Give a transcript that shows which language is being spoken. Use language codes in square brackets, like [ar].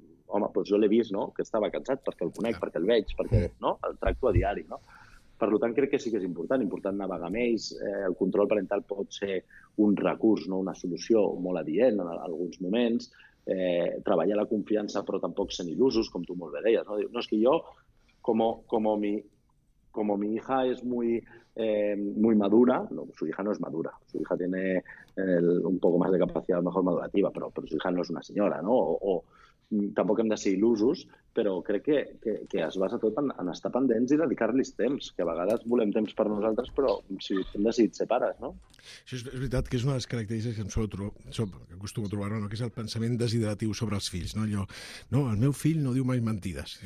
[ca] Home, doncs jo l'he vist, no?, que estava cansat, perquè el conec, perquè el veig, perquè no? El tracto a diari, no? Per tant, crec que sí que és important navegar amb ells. El control parental pot ser un recurs, no?, una solució molt adient en alguns moments. Treballar la confiança, però tampoc ser il·lusos, com tu molt bé deies. No, no és que jo, [es] como mi hija es muy, muy madura, no, su hija no es madura, su hija tiene un poco más de capacidad, mejor madurativa, pero su hija no es una señora, ¿no? O, [ca] tampoc hem de ser il·lusos, però crec que es basa tot en estar pendents i dedicar-li temps, que a vegades volem temps per nosaltres, però si hem decidit ser pares, no? Això és veritat, que és una de les característiques que em acostumo a trobar, no? Que és el pensament desideratiu sobre els fills, no? Allò, no, el meu fill no diu mai mentides.